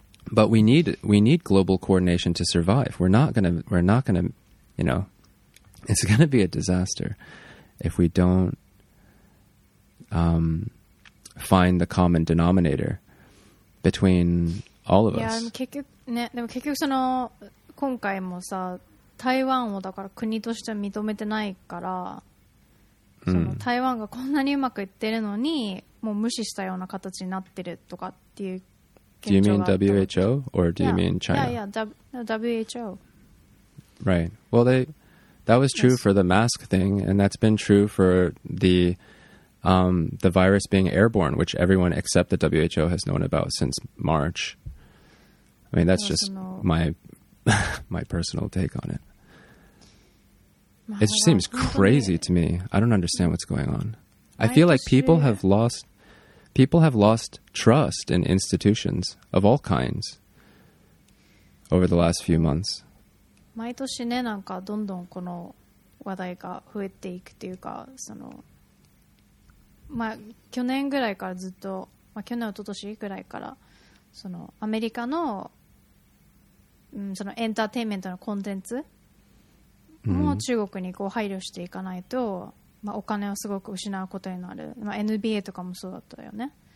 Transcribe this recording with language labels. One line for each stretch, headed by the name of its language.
English: But we need global coordination to survive. We're not going to, you know, it's going to be a disaster if we don't find the common denominator between all of us.
Japanese: Yeah, 結局その今回もさ、台湾をだから国として認めてないから、その台湾がこんなにうまくいってるのに、もう無視したような形になってるとかっていう現状があった。
English: Do you mean WHO or do you mean China? Yeah, WHO. Right. Well, that was true for the mask thing, and that's been true for the virus being airborne, which everyone except the WHO has known about since March. I mean, that's just my personal take on it. It seems crazy to me. I don't understand what's going on. I feel like people have lost trust in institutions of all kinds over the last few months.
Japanese: 毎年ね、なんかどんどんこの話題が増えていくっていうか、その、まあ、去年ぐらいからずっと、まあ、去年一昨年ぐらいから、そのアメリカのそのエンターテインメントのコンテンツも中国にこう配慮していかないと、まあ、お金をすごく失うことになる、まあ、NBA とかもそうだったよね。